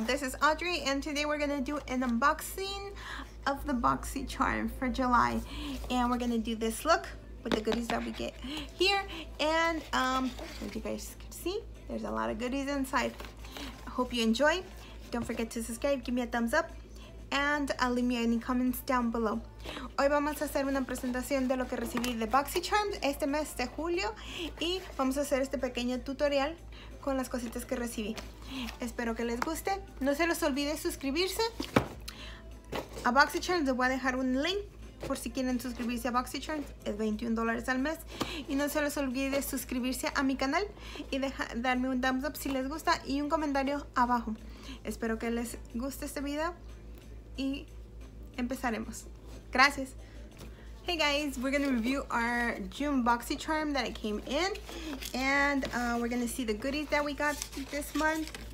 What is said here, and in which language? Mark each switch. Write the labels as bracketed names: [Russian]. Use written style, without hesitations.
[English] This is Audrey and today we're gonna do an unboxing of the Boxy charm for July, and we're gonna do this look with the goodies that we get here. And as you guys can see, there's a lot of goodies inside. Hope you enjoy. Don't forget to subscribe, give me a thumbs up, and leave me any comments down below. [Spanish] Hoy vamos a hacer una presentación de lo que recibí de BoxyCharms este mes de julio, y vamos a hacer este pequeño tutorial con las cositas que recibí. Espero que les guste. No se les olvide suscribirse a BoxyCharms. Les voy a dejar un link por si quieren suscribirse a BoxyCharms. Es $21 al mes. Y no se les olvide suscribirse a mi canal y darme un thumbs up si les gusta y un comentario abajo. Espero que les guste este video y empezaremos. Gracias. [English] Hey guys, we're gonna review our June Boxy charm that it came in, and we're gonna see the goodies that we got this month.